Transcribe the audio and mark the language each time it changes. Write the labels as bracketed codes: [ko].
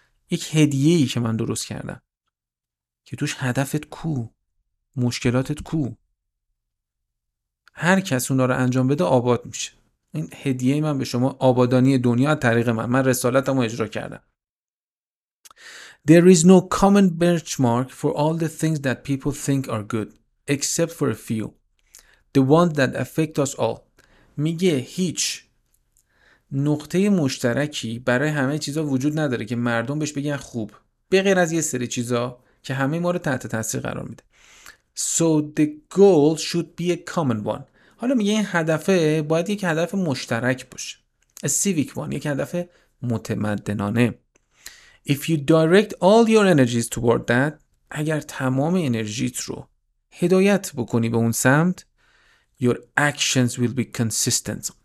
[fa] یک هدیه‌ای که من درست کردم که توش هدفت کو، مشکلاتت کو، هر کس اونا رو انجام بده آباد میشه. این هدیه من به شما، آبادانی دنیا از طریق من رسالتم رو اجرا کردم. [en] There is no common benchmark for all the things that people think are good except for a few, the ones that affect us all. [fa] میگه هیچ نقطه مشترکی برای همه چیزا وجود نداره که مردم بهش بگن خوب، به غیر از یه سری چیزا که همه ما رو تحت تاثیر قرار میده. [en] So the goal should be a common one. [fa] حالا میگه این هدفه باید یک هدف مشترک باشه، [en] a civic one، [fa] یک هدف متمدنانه. [en] If you direct all your energies toward that، [fa] اگر تمام انرژیت رو هدایت بکنی به اون سمت، [en] your actions will be consistent.